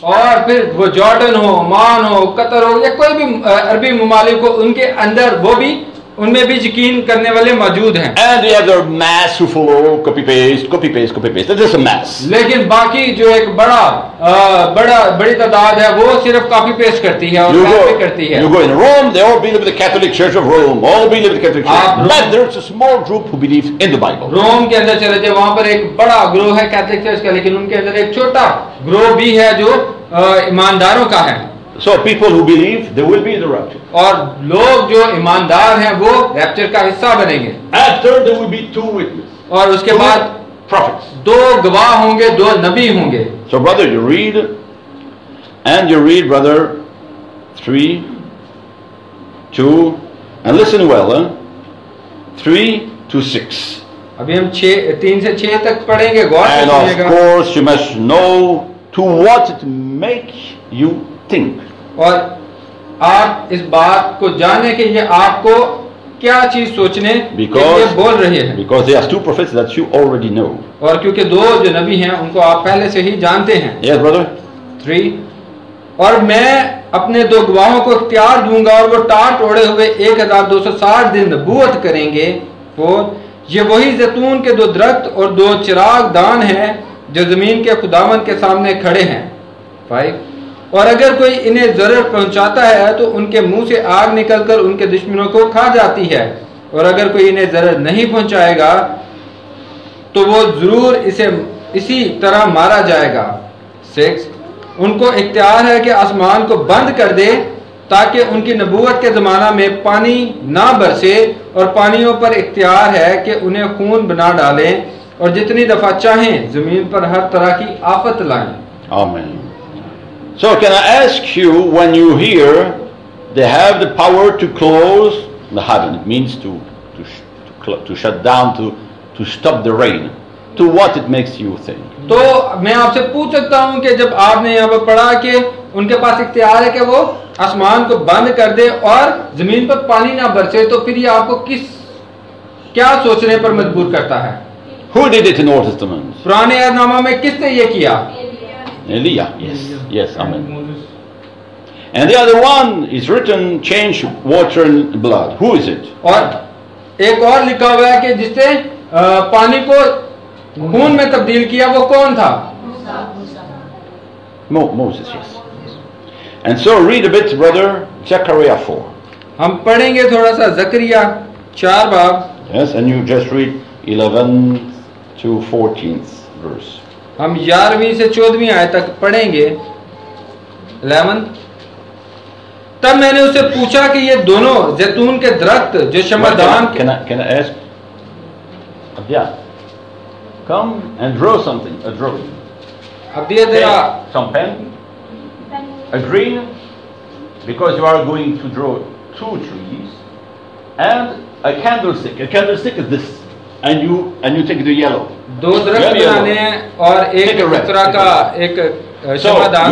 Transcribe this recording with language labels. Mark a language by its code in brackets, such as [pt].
[hi] और फिर वो जॉर्डन हो, ओमान हो, कतर हो या कोई भी अरबी ममालिक हो, उनके अंदर वो भी उनमें भी यकीन करने वाले मौजूद हैं। [en] And the other mass who follow, copy paste. That is a mass. [hi] लेकिन बाकी जो एक बड़ा बड़ा बड़ी तादाद है वो सिर्फ कॉपी पेस्ट करती है और कॉपी करती है। [en] You go in Rome, they all believe the Catholic Church of Rome, all believe the Catholic Church. But there is a small group who believe in the Bible. [hi] रोम के अंदर चले जाए वहां पर एक बड़ा ग्रो है कैथोलिक चर्च का, लेकिन उनके अंदर एक छोटा ग्रो भी है जो ईमानदारों का है। [en] So people who believe, they will be in the rapture. [hi] और लोग जो ईमानदार हैं वो रैप्चर का हिस्सा बनेंगे। [en] After there will be two witnesses. [hi] और उसके बाद [en] prophets. [hi] दो गवाह होंगे, दो नबी होंगे। [en] So brother, you read and brother 3:2 and listen well, 3:6. [hi] अभी हम 3-6 तक पढ़ेंगे, गौर से सुनिएगा। [en] And of course you must know to what it make you think. [hi] और आप इस बात को जाने के ये आपको क्या चीज सोचने [en] because, [hi] बोल रहे हैं? [en] Because there are two prophets that you already know. [hi] और क्योंकि दो जो नबी हैं उनको आप पहले से ही जानते हैं। [en] Yes, brother. 3. [hi] और मैं अपने दो गवाहों को अख्तियार दूंगा और वो टाट ओढ़े हुए 1260 दिन नबूवत करेंगे। 4. ये वही जैतून के दो दरख्त और दो चिराग दान हैं जो जमीन के खुदावन के सामने खड़े हैं, [en] five, [hi] और अगर कोई इन्हें जरर पहुंचाता है तो उनके मुंह से आग निकलकर उनके दुश्मनों को खा जाती है, और अगर कोई इन्हें जरर नहीं पहुंचाएगा तो वो जरूर इसे इसी तरह मारा जाएगा। [en] six, [hi] उनको इख्तियार है कि आसमान को बंद कर दे ताकि उनकी नबूवत के जमाना में पानी ना बरसे, और पानियों पर इख्तियार है कि उन्हें खून बना डालें और जितनी दफा चाहें जमीन पर हर तरह की आफत लाएं। आमीन। [en] So can I ask you, when you hear they have the power to close the heaven, it means to shut down, to stop the rain, to what it makes you think? [hi] तो मैं आपसे पूछ सकता हूँ कि जब आपने यहाँ पर पढ़ा कि उनके पास इख्तियार है कि वो आसमान को बंद कर दे और जमीन पर पानी ना बरसे, तो फिर ये आपको किस क्या सोचने पर मजबूर करता है? [en] Who did it in Old Testament? [hi] पुराने अहदनामा में किसने ये किया? [en] Elijah, yes, yes, amen. And Moses. And the other one is written, change water and blood. Who is it? और एक और लिखा हुआ है कि जिसने पानी को खून में तब्दील किया वो कौन था? Moses, yes. And so read a bit, brother, Zechariah 4. [hi] हम पढ़ेंगे थोड़ा सा ज़करिया 4 बाब. [en] Yes, and you just read 11th to 14th verse. [hi] हम 11वीं से 14वीं आयत तक पढ़ेंगे। 11, तब मैंने उसे पूछा कि ये दोनों जैतून के दरख्त जो शमादान के [en] can I ask? Abdiya, come and draw something, a drawing. Abdiya, there are some pen, a green, because you are going to draw two trees, and a candlestick. A candlestick is this. And you take the yellow. [hi] दो दरख्त बनाने और एक कचरा का एक शमादान